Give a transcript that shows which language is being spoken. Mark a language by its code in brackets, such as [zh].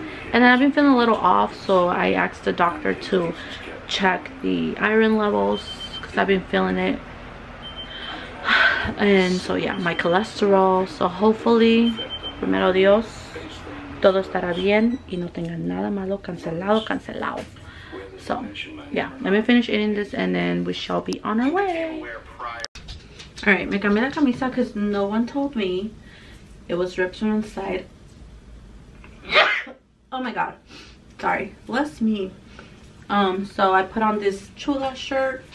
[en] And then I've been feeling a little off, so I asked the doctor to check the iron levels because I've been feeling it. And so yeah, my cholesterol. So hopefully, [es] primero Dios, todo estará bien y no tenga nada malo cancelado. [en] So yeah, let me finish eating this and then we shall be on our way. All right, [es] me cambié la camisa [en] because no one told me. It was ripped from the side. Oh my God, sorry, bless me. So I put on this chula shirt.